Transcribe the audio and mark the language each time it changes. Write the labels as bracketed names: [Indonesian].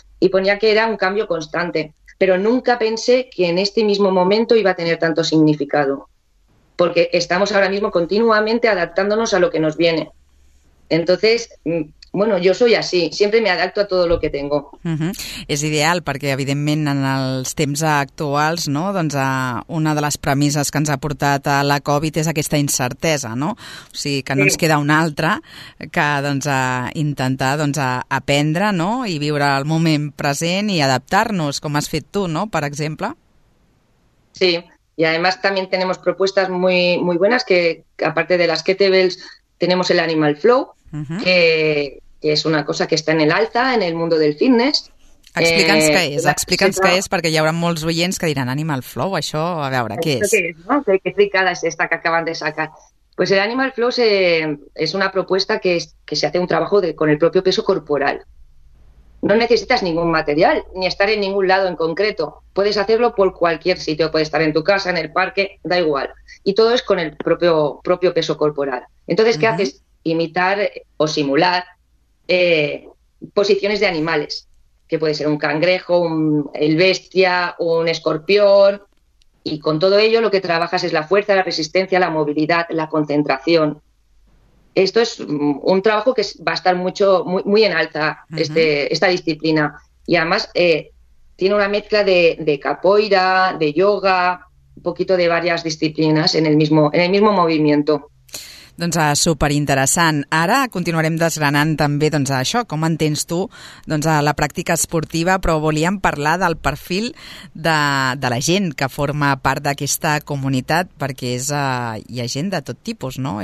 [Spanish] Y ponía que era un cambio constante, pero nunca pensé que en este mismo momento iba a tener tanto significado, porque estamos ahora mismo continuamente adaptándonos a lo que nos viene. Entonces, bueno, yo soy así, siempre me adapto a todo lo que tengo. [Catalan] És ideal perquè, evidentment, en els temps actuals, no? Doncs, una de les premisses que ens ha portat a la Covid és aquesta incertesa, no? O sigui, que no ens queda una altra que doncs, intentar doncs, aprendre, no? I viure el moment present i adaptar-nos, com has fet tu, no? Per exemple. [Spanish] Sí, y además también tenemos propuestas muy, muy buenas que, aparte de las kettlebells, tenemos el Animal Flow, que es una cosa que está en el alza en el mundo del fitness. [Catalan] Explica'ns què és, explica'ns què és, perquè hi haurà molts oients que diran Animal Flow, això, a veure, què és? Què és, no? [Spanish] Que fricada és esta que acaban de sacar. Pues el Animal Flow es una propuesta que se hace un trabajo con el propio peso corporal. No necesitas ningún material, ni estar en ningún lado en concreto. Puedes hacerlo por cualquier sitio, puedes estar en tu casa, en el parque, da igual. Y todo es con el propio peso corporal. Entonces, ¿qué haces? Imitar o simular posiciones de animales, que puede ser un cangrejo, el bestia, un escorpión. Y con todo ello lo que trabajas es la fuerza, la resistencia, la movilidad, la concentración. Esto es un trabajo que va a estar mucho muy, muy en alza, esta disciplina. Y además tiene una mezcla de capoeira, de yoga, un poquito de varias disciplinas en el mismo movimiento. [Catalan] Doncs superinteressant. Ara continuarem desgranant també doncs, això, com entens tu doncs, la pràctica esportiva, però volíem parlar del perfil de la gent que forma part d'aquesta comunitat, perquè és, hi ha gent de tot tipus, no?